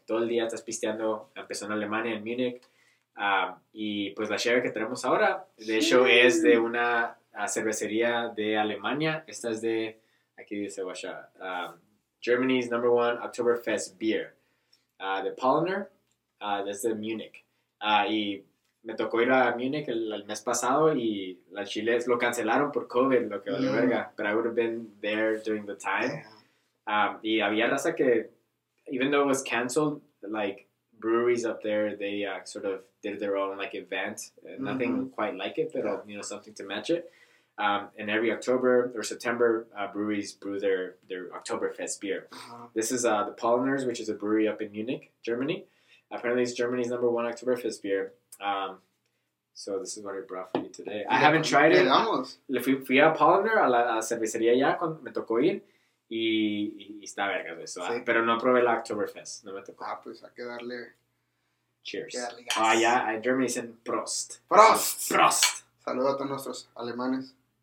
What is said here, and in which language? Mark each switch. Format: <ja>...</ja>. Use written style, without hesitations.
<es>Todo el día estás pisteando. Empezó en Alemania, en Múnich. Y pues la cheve que tenemos ahora, de hecho, es de una cervecería de Alemania. Esta es de... Aquí dice,</es> <en>Washa, Germany's number one Oktoberfest beer. The Polliner,</en> <es>desde Múnich. Y me tocó ir a Múnich el mes pasado y la Chile lo cancelaron por COVID, lo que vale verga.</es> <en>But I would have been there during the time.</en> <es>Y había raza que,</es> <en>even though it was canceled, like, breweries up there, they sort of did their own, like, event. Nothing quite like it, but, you know, something to match it. And every October or September, breweries brew their Oktoberfest beer. This is the Polliners, which is a brewery up in Munich, Germany. Apparently, it's Germany's number one Oktoberfest beer. So this is what I brought for you today. I haven't tried it.</en> <es>Le fui a Polliner, a la cervecería ya, cuando me tocó ir. Y está verga eso, sí. Pero no probé la Oktoberfest, no me tocó. Ah, pues hay que darle...</es> <en>Cheers.</en> <es>Ah, oh, ya, yeah, en Germany dicen Prost.</es> <de>Prost.</de> <es>Sí. Prost. Saludos a todos nuestros alemanes.</es>